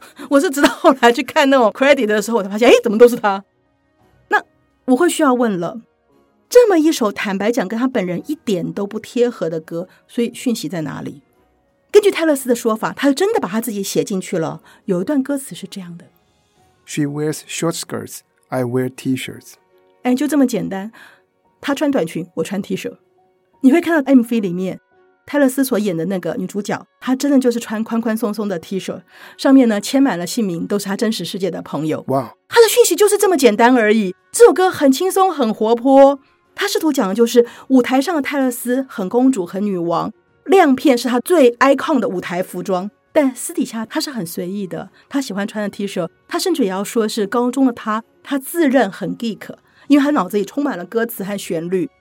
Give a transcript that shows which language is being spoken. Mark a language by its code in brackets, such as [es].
[zh] 我是直到后来去看那种 credit 的时候，我才发现哎，怎么都是她。那我会需要问了，这么一首坦白讲跟她本人一点都不贴合的歌，所以讯息在哪里？根据泰勒斯的说法，她真的把她自己写进去了。有一段歌词是这样的， [en] She wears short skirts, I wear t-shirts. [zh] 哎，就这么简单，她穿短裙，我穿 T 恤。你会看到 MV 里面泰勒斯所演的那个女主角，她真的就是穿宽宽松松的 T 恤，上面呢签满了姓名，都是她真实世界的朋友。哇、wow. ！她的讯息就是这么简单而已。这首歌很轻松很活泼，她试图讲的就是舞台上的泰勒斯很公主很女王，亮片是她最 icon 的舞台服装，但私底下她是很随意的，她喜欢穿的 T 恤，她甚至也要说是高中的她，她自认很 geek，因为他脑子里充满了歌词和旋律，